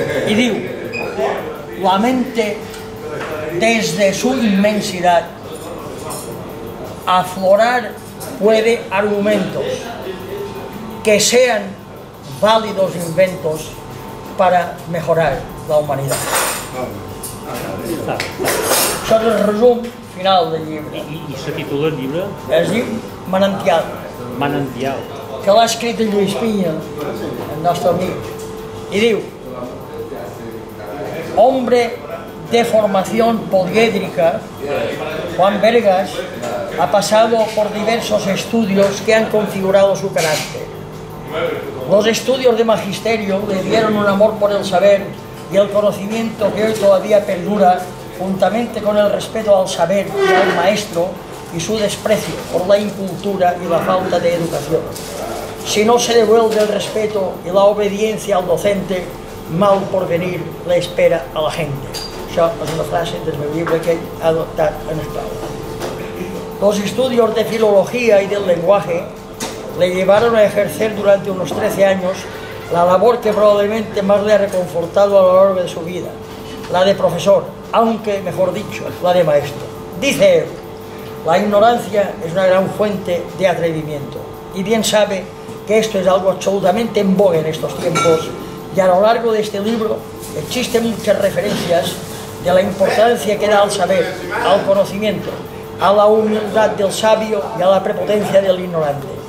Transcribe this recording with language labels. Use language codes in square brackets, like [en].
[ca] I diu, [es] la mente des de su immensidad aflorar puede argumentos que sean válidos inventos para mejorar la humanidad. [ca] Això és el resum final del llibre. I se titula el llibre? Es diu Manantial. Manantial. Que l'ha escrit en Lluís Pinya, el nostre amic. I diu, [es] hombre de formación poliédrica, Juan Vergas, ha pasado por diversos estudios que han configurado su carácter. Los estudios de magisterio le dieron un amor por el saber y el conocimiento que hoy todavía perdura, juntamente con el respeto al saber y al maestro y su desprecio por la incultura y la falta de educación. Si no se devuelve el respeto y la obediencia al docente, mal porvenir le espera a la gente. [ca] Això és una frase del meu llibre que he adoptat en espanyol. [es] Los estudios de filología y del lenguaje le llevaron a ejercer durante unos 13 años la labor que probablemente más le ha reconfortado a lo largo de su vida, la de profesor, aunque, mejor dicho, la de maestro. Dice él, la ignorancia es una gran fuente de atrevimiento y bien sabe que esto es algo absolutamente en boga en estos tiempos y a lo largo de este libro existen muchas referencias de la importancia que da al saber, al conocimiento, a la humildad del sabio y a la prepotencia del ignorante.